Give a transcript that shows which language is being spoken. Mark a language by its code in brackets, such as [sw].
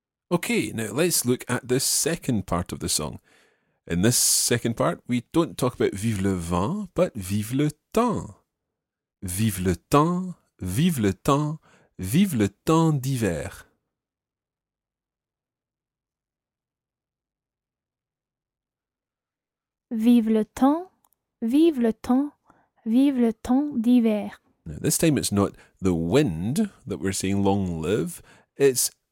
[en] Okay, now let's look at the second part of the song. In this second part, we don't talk about [fr] vive le vent, [en] but [fr] vive le temps. Vive le temps, vive le temps, vive le temps d'hiver. Vive le temps, vive le temps d'hiver. [en] Now, this time it's not the wind that we're saying long live, it's